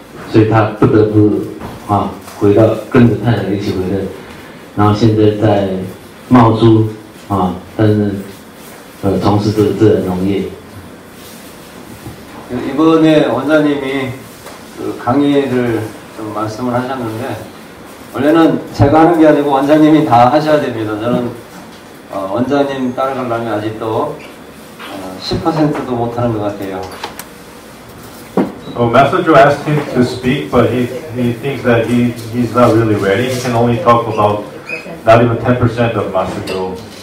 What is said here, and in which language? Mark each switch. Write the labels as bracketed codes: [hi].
[zh] 所以他不得不跟着太太一起回来，然后现在在茂珠，但是从事这个自然农业。 [ko] 이번에 원장님이 그 강의를 좀 말씀을 하셨는데 원래는 제가 하는 게 아니고 원장님이 다 하셔야 됩니다. 저는 원장님 따라가려면 아직도 10%도 못하는 것 같아요. [en] So Master Joe asked him to speak, but he thinks that he's not really ready. He can only talk about not even 10% of Master Joe.